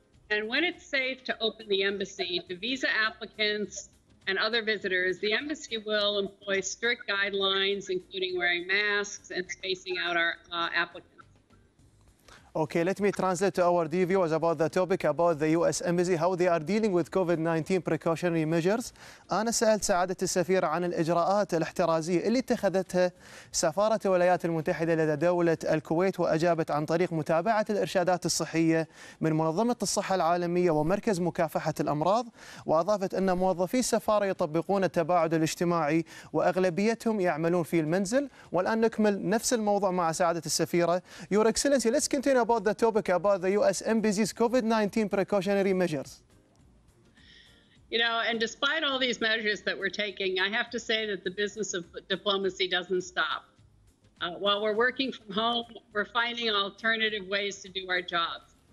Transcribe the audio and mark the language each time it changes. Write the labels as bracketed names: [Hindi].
[English] And when it's safe to open the embassy to visa applicants and other visitors, the embassy will employ strict guidelines, including wearing masks and spacing out our applicants. Okay, let me translate to our dear viewers about the topic about the U.S. Embassy, how they are dealing with COVID-19 precautionary measures. [Arabic] أنا سألت سعادة السفيرة عن الإجراءات الاحترازية اللي اتخذتها سفارة الولايات المتحدة لدى دولة الكويت وأجابت عن طريق متابعة الإرشادات الصحية من منظمة الصحة العالمية ومركز مكافحة الأمراض وأضافت أن موظفي السفارة يطبقون التباعد الاجتماعي وأغلبيتهم يعملون في المنزل. والآن نكمل نفس الموضوع مع سعادة السفيرة. [English] Your Excellency, let's continue about the topic about the U.S. Embassy's COVID-19 precautionary measures. You know, and despite all these measures that we're taking, I have to say that the business of diplomacy doesn't stop. While we're working from home, we're finding alternative ways to do our jobs.